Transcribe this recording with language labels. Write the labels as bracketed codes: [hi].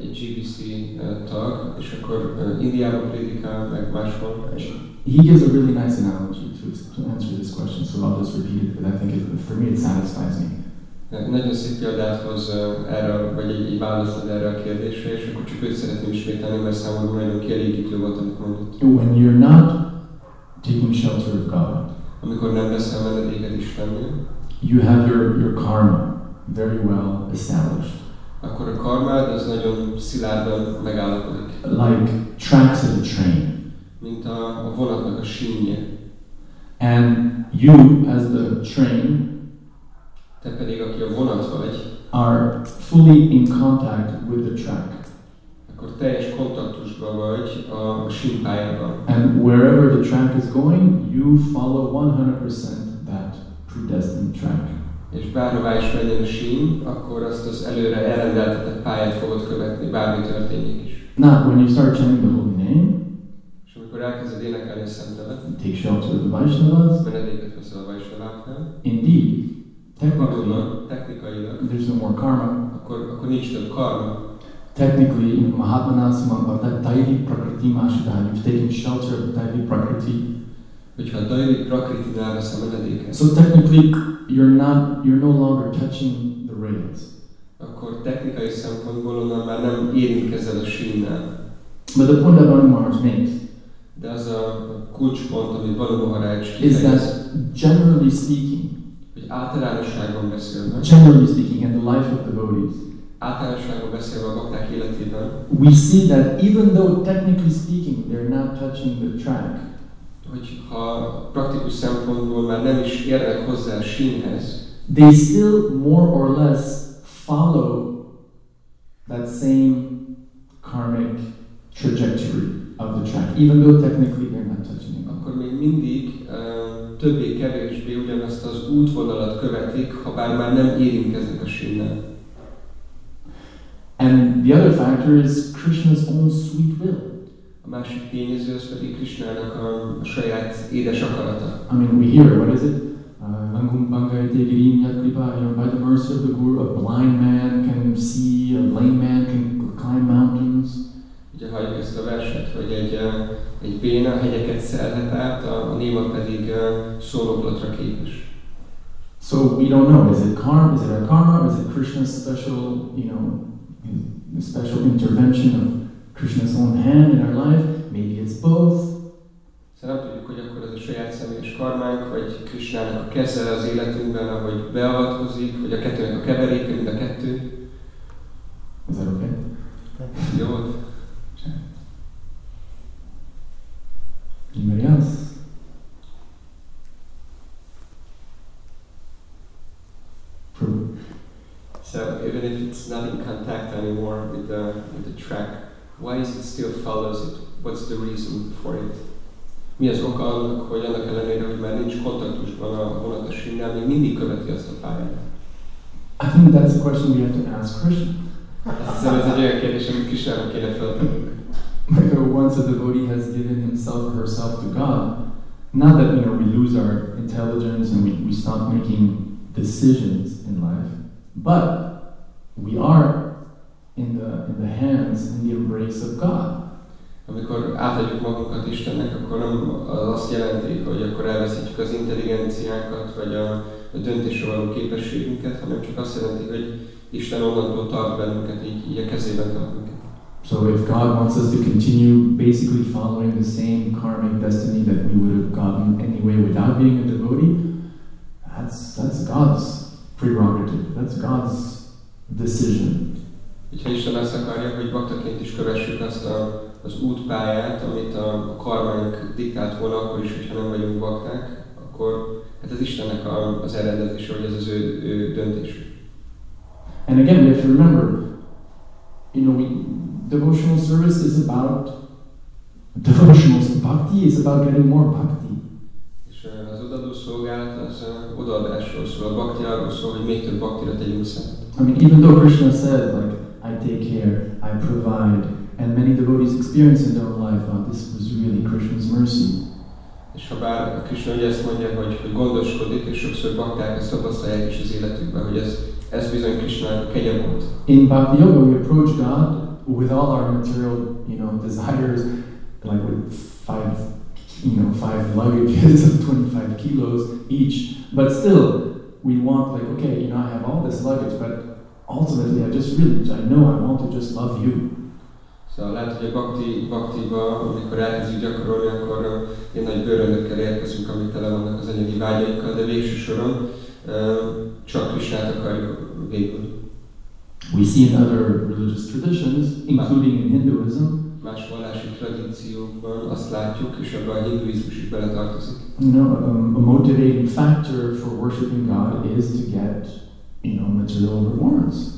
[hu] GBC tag, és akkor Indiában prédikál, meg máshol. [en] He gives a really nice analogy to answer this question, so I'll just repeat it, but I think for me it satisfies me. [hu] Nagyon szép példát hoz erre, vagy egy választ ad erre a kérdésre, és akkor csak őt szeretném ismételni, mert számomra nagyon kielégítő volt, amit mondott. [en] When you're not taking shelter of God, [hu] amikor nem veszel menedéket Istennél, [en] you have your karma very well established. [hu] Akkor a karmád az nagyon szilárdan megállapodik. [en] Like tracks of a train. [hu] Mint a vonatnak a sínje. [en] And you, as the train, [hu] te pedig, aki a vonat vagy, [en] are fully in contact with the track. [hu] Akkor teljes kontaktusban vagy a sínpályában. [en] And wherever the track is going, you follow 100% that predestined track. [hu] És bárhová is menjen a sín, akkor azt az előre elrendeltetett pályát fogod követni, bármi történik is. [en] Now, when you start chanting the holy name, [hu] és amikor elkezded énekelni a szentelet, [en] take shelter of the Vaishnavas, [hu] menedéket veszel a Vaishnaváknál, [en] indeed, [hu] technikailag, [en] there's no more karma, [hu] akkor nincs több karma. [en] Technically, in [sa] Mahatmanasa Mambhata, Daivi Prakriti Mashudha, [en] you've taken shelter of the Daivi Prakriti, [hu] hogyha a Daivi Prakritinál vesz a menedéket. [en] So technically, you're no longer touching the rails. [hu] Akkor technikai szempontból onnan már nem érintkezel a sínnel. [en] But the point that Banu Maharaj makes, [hu] de az a kulcspont, amit Banu Maharaj [en] is that generally speaking, [hu] hogy általánosságban beszélnek, [en] generally speaking, in the life of devotees, [hu] Általánosságról beszélve a bakták életében. [en] We see that even though technically speaking they're not touching the track. [hu] Hogyha praktikus szempontból már nem is érnek hozzá a sínhez. [en] They still more or less follow that same karmic trajectory of the track, even though technically they're not touching it. [hu] Akkor még mindig többé-kevésbé ugyanazt az útvonalat követik, ha bár már nem érintkeznek a sínnel. [en] And the other factor is Krishna's own sweet will. [hu] A másik tényező az pedig Krishnának a saját édes akarata. [en] I mean, we hear, what is it? [sa] Angum bangaite girim yat kripa, [en] you know, by the mercy of the Guru, a blind man can see, a lame man can climb mountains. [hu] Ugye halljuk ezt a verset, hogy egy béna hegyeket szelhet át, a néma pedig szólóklatra képes. [en] So we don't know, is it karma, is it a karma, is it Krishna's special, you know, a special intervention of Krishna's own hand in our life? Maybe it's both. [hu] Nem tudjuk, hogy akkor ez a saját személyes karmánk, vagy Krishnának a keze az életünkben, ahogy beavatkozik, vagy a kettőnek a keveréke, mind a kettő. [en] Is that okay? [hu] Jó. [en] Anybody else? So, even if it's not in contact anymore with the track, why is it still follows it? What's the reason for it? [hu] Mi az oka annak, hogy annak ellenére, hogy már nincs kontaktusban a vonat a sínnel, még mindig követi azt a pályát? [en] I think that's a question we have to ask Krishna. [hu] Ez szóval ez egy olyan kérdés, amit Krishna kéne feltennünk. [en] Like once a devotee has given himself or herself to God, not that, you know, we lose our intelligence and we stop making decisions in life, but we are in the hands, in the embrace of God. [hu] Amikor átadjuk magunkat Istennek, akkor nem azt jelenti, hogy akkor elveszítjük az intelligenciánkat, vagy a döntésre való képességünket, hanem csak azt jelenti, hogy Isten onnantól tart bennünket, így a kezében tartunk. [en] So if God wants us to continue basically following the same karmic destiny that we would have gotten anyway without being a devotee, that's God's prerogative, that's God's decision. [hu] Hogyha Isten azt akarja, hogy baktaként is kövessük azt az útpályát, amit a karmánk diktált volna, akkor is, hogyha nem vagyunk bakták, akkor hát ez Istennek az eredetése, hogy ez az ő döntésük. [en] And again, we have to remember, you know, devotional service is about devotional bhakti, is about getting more bhakti. [hu] És az odaadó szolgálat az odaadásról szól, a bhakti arról szól, hogy még több bhaktira tegyünk szent. [en] I mean, even though Krishna said, like, I take care, I provide, and many devotees experience in their own life, oh, this was really Krishna's mercy. [hu] És ha bár Krishna ugye ezt mondja, hogy gondoskodik, és sokszor bakták ezt tapasztalják is az életükben, hogy ez bizony Krishna-nak a kegye volt. [en] In Bhakti Yoga, we approach God with all our material, you know, desires, like with five luggages of 25 kilos each, but still, we want, like, okay, you know, I have all this luggage, but ultimately, I know I want to just love you. [hu] Szóval lehet, hogy a bhakti-ban, amikor elkezdjük gyakorolni, akkor ilyen nagy bőröndökkel érkezünk, amik tele vannak az anyagi vágyainkkal, de végső soron csak Krisnát akarjuk végül. [en] We see in other religious traditions, including in Hinduism. [hu] Más vallási tradíciókban azt látjuk, és abban a hinduizmus is beletartozik. [en] No, a motivating factor for worshiping God is to get, you know, material rewards.